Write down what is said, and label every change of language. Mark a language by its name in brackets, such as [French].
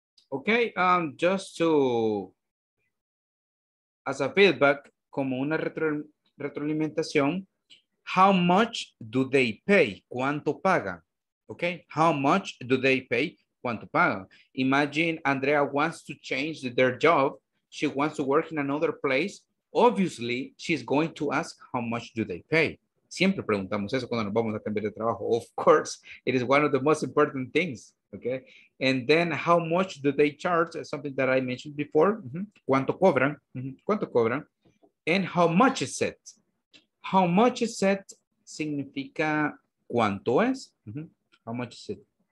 [English] Okay, just to, as a feedback, [Spanish] como una retroalimentación, [English] how much do they pay? [Spanish] ¿Cuánto paga? [English] Okay, how much do they pay? [Spanish] ¿Cuánto paga? [English] Imagine Andrea wants to change their job. She wants to work in another place. Obviously, she's going to ask how much do they pay. [Spanish] Siempre preguntamos eso cuando nos vamos a cambiar de trabajo. [English] Of course, it is one of the most important things. Okay, and then how much do they charge? Something that I mentioned before. [Spanish] ¿Cuánto cobran? ¿Cuánto cobran? [English] And how much is it? How much is it [Spanish] significa cuánto es? [English] How much is it?